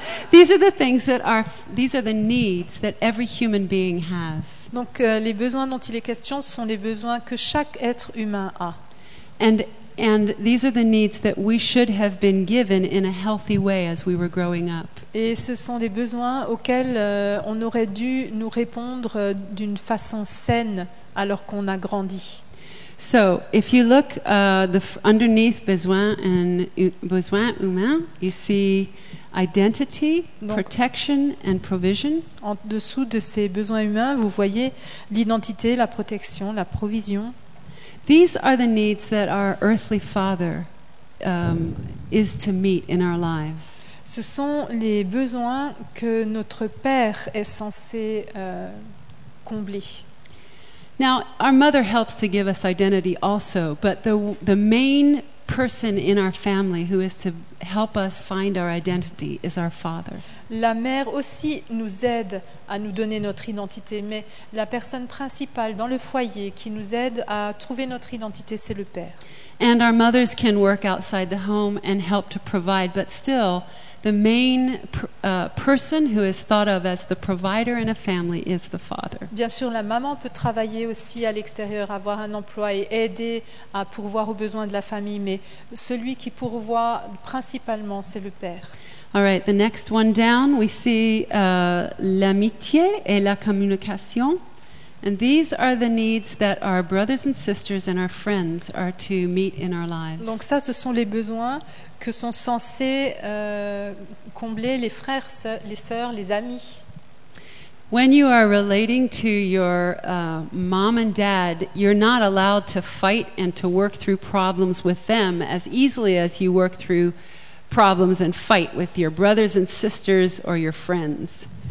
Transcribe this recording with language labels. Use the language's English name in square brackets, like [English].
[English] These are the needs that every human being has. [French] Donc les besoins dont il est question sont les besoins que chaque être humain a. [English] And these are the needs that we should have been given in a healthy way as we were growing up. [French] Et ce sont des besoins auxquels on aurait dû nous répondre d'une façon saine alors qu'on a grandi. [English] So, if you look underneath besoin and besoin humain, you see identity, donc, protection and provision. [French] En dessous de ces besoins humains, vous voyez l'identité, la protection, la provision. [English] These are the needs that our earthly father is to meet in our lives. [French] Ce sont les besoins que notre père est censé combler. [English] Now, our mother helps to give us identity also, but the main person in our family who is to help us find our identity is our father. [French] La mère aussi nous aide à nous donner notre identité, mais la personne principale dans le foyer qui nous aide à trouver notre identité, c'est le père. [English] And our mothers can work outside the home and help to provide, but still, the main person who is thought of as the provider in a family is the father. [French] Bien sûr, la maman peut travailler aussi à l'extérieur, avoir un emploi et aider à pourvoir aux besoins de la famille, mais celui qui pourvoit principalement, c'est le père. [English] All right, the next one down, we see [French] l'amitié et la communication. [English] And these are the needs that our brothers and sisters and our friends are to meet in our lives. [French] Donc ça, ce sont les besoins que sont censés combler les frères, les sœurs, les amis. [English] When you are relating to your mom and dad, you're not allowed to fight and to work through problems with them as easily as you work through problems and fight with your brothers and sisters or your friends.